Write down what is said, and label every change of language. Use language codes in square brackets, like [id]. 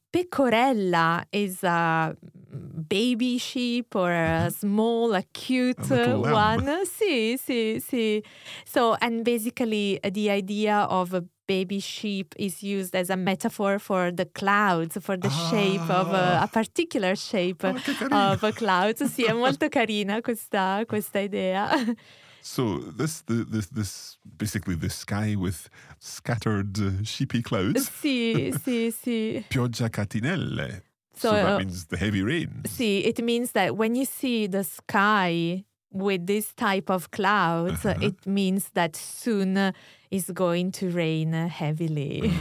[en] Pecorella is a baby sheep or a small, cute one. [it] Sì. [en] So, and basically the idea of a baby sheep is used as a metaphor for the clouds, for the shape of a particular shape of a cloud. [it] Sì, è molto carina questa idea. [en] So this basically the sky with scattered sheepy clouds. [it] Sì. Pioggia catinelle. [en] So that means the heavy rain. Sì, it means that when you see the sky with this type of clouds, it means that soon is going to rain heavily.